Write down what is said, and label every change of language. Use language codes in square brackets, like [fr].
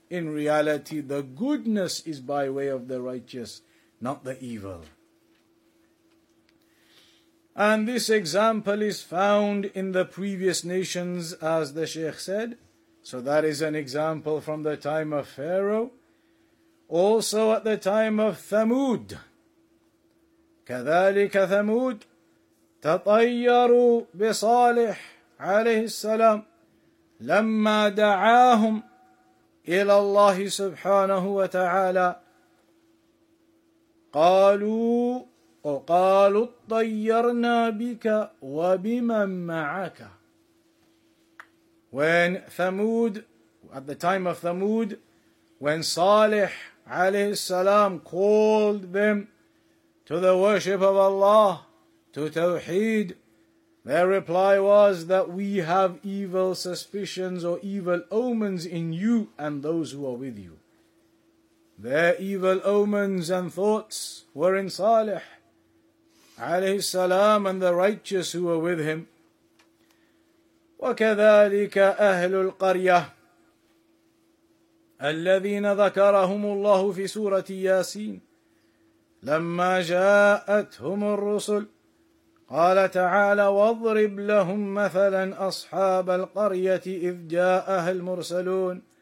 [en] In reality, the goodness is by way of the righteous, not the evil. And this example is found in the previous nations, as the Shaykh said. So that is an example from the time of Pharaoh. Also at the time of Thamud. [ar] كَذَلِكَ Thamud تَطَيَّرُوا بِصَالِحِ عَلَيْهِ السَّلَامِ لما دعاهم إلى الله سبحانه وتعالى قالوا وقالوا اطيرنا بك وبمن معك. [en] When Thamud, at the time of Thamud, when Salih عليه السلام called them to the worship of Allah, to Tawheed, their reply was that we have evil suspicions or evil omens in you and those who are with you. Their evil omens and thoughts were in Salih alayhi salam and the righteous who were with him. [ar] وَكَذَلِكَ أَهْلُ الْقَرْيَةِ الَّذِينَ ذَكَرَهُمُ اللَّهُ فِي سُورَةِ يَاسِينَ لَمَّا جَاءَتْهُمُ الرُّسُلُ قال تعالى واضرب لهم مثلا أصحاب القرية إذ جاءها المرسلون